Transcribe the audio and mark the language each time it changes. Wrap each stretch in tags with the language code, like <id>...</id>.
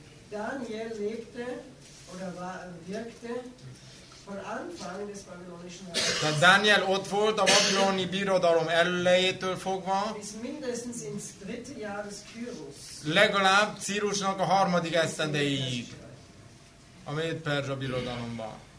<de>Daniel lebte oder wirkte von Anfang des babylonischen Reiches.</de> <hu>Daniel ott volt a babiloni birodalom elejétől fogva.</hu> <de>Bis mindestens ins dritte Jahr des Kyros.</de> <hu>Legalább Círusnak a harmadik esztendejéig, a Méd-Perzsa birodalomban.</hu>